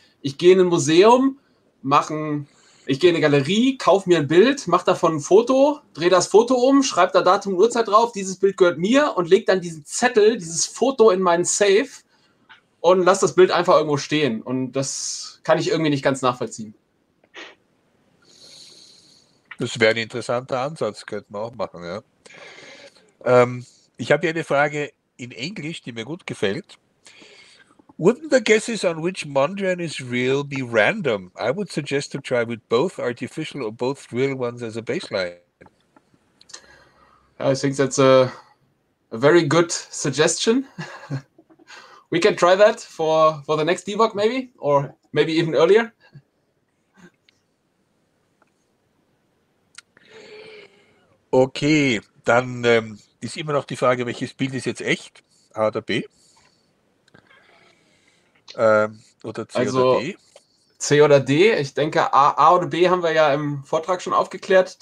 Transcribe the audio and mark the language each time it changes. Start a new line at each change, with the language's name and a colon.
German: Ich gehe in ein Museum, ich gehe in eine Galerie, kaufe mir ein Bild, mache davon ein Foto, drehe das Foto um, schreibe da Datum und Uhrzeit drauf, dieses Bild gehört mir und lege dann diesen Zettel, dieses Foto in meinen Safe und lasse das Bild einfach irgendwo stehen. Und das kann ich irgendwie nicht ganz nachvollziehen. Das wäre ein interessanter Ansatz, könnte man auch machen, ja. Ich habe hier eine Frage in Englisch, die mir gut gefällt.
English: Wouldn't the guesses on which Mondrian is real be random? I would suggest to try with both artificial or both real ones as a baseline. I think that's a very good suggestion. We can try that for the next debug maybe, or maybe even earlier.
German: Okay, dann ist immer noch die Frage, welches Bild ist jetzt echt, A oder B? Oder C also, oder D? C oder D, ich denke A oder B haben wir ja im Vortrag schon aufgeklärt.